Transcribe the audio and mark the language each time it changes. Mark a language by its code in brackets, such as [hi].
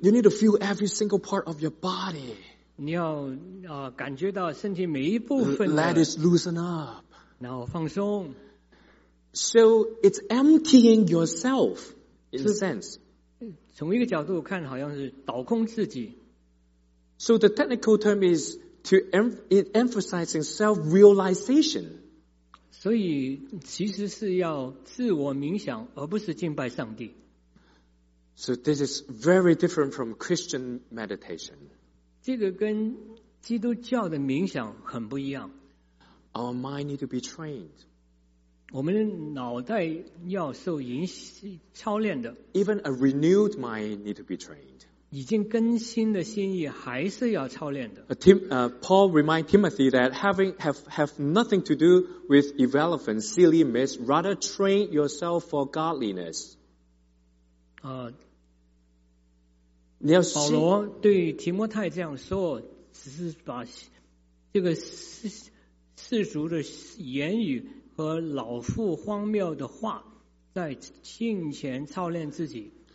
[en] You need to feel every single part of your body. [zh] 你要感觉到身体每一部分的。 [en] Let it loosen up. [zh] 然后放松。 [en] So it's emptying yourself, in a sense. [zh] 从一个角度看，好像是倒空自己。 [en] So the technical term is to emphasizing self-realization. [zh] 所以其实是要自我冥想，而不是敬拜上帝。 [en] So this is very different from Christian meditation. [zh] 这个跟基督教的冥想很不一样。 [en] Our mind need to be trained. [zh] 我们的脑袋要受引操练的。 [en] Even a renewed mind need to be trained. [zh] 已经更新的心意还是要操练的。 [en] Paul remind Timothy that have nothing to do with irrelevant silly myths, rather train yourself for godliness. [zh] 保罗对提摩太这样说，只是把这个世俗的言语和老父荒谬的话在镜前操练自己。